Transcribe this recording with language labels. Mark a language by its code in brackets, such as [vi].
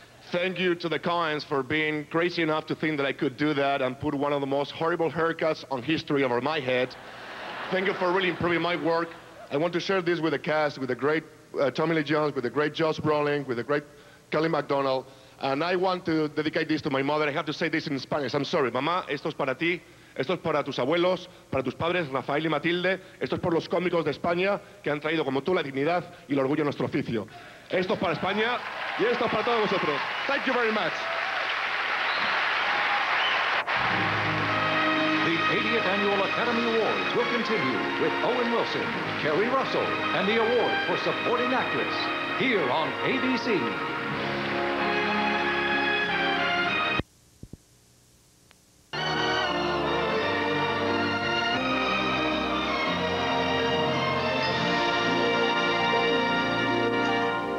[en] Thank you to the Coens for being crazy enough to think that I could do that and put one of the most horrible haircuts on history over my head. Thank you for really improving my work. I want to share this with the cast, with the great Tommy Lee Jones, with the great Josh Brolin, with the great Kelly MacDonald. And I want to dedicate this to my mother. I have to say this in Spanish. I'm sorry. [es] Mamá, esto es para ti. Esto es para tus abuelos, para tus padres, Rafael y Matilde. Esto es por los cómicos de España que han traído como tú la dignidad y el orgullo a nuestro oficio. Esto es para España y esto es para todos vosotros. [en] Thank you very much. The 80th Annual Academy Awards will continue with Owen Wilson, Kerry Russell, and the award for supporting actress here on ABC.